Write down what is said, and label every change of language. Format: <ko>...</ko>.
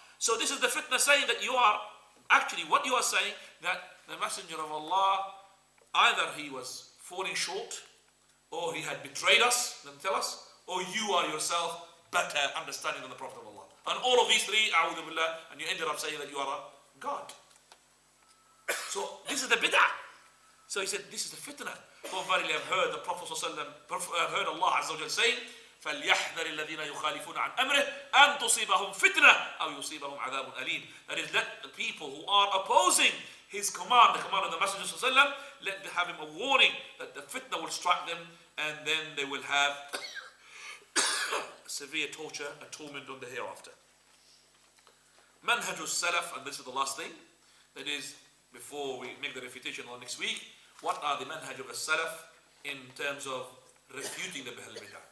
<en>So this is the fitna saying that you are, actually what you are saying, that the messenger of Allah, either he was falling short, or he had betrayed us, then tell us, or you are yourself better understanding than the Prophet of Allah. And all of these three, a'udhu billah, and you ended up saying that you are a god." So this is the bid'ah. So he said, this is the fitna. For verily I've heard the Prophet ﷺ, I've heard Allah Azza wa Jalla saying,</en> <ar>فليحذر الذين يخالفون عن أمره أن تصيبهم فتنة أو يصيبهم عذاب أليم.</ar> <en>That is, let the people who are opposing his command, the command of the Messenger صلى الله عليه وسلم, let them have him a warning that the fitna will strike them, and then they will have severe torture and torment on the hereafter.</en> <ar>منهج السلف,</ar> <en>and this is the last thing, that is, before we make the refutation on next week, what are the manhaj of al-salaf in terms of refuting the Ahl al-Bid'ah?</en>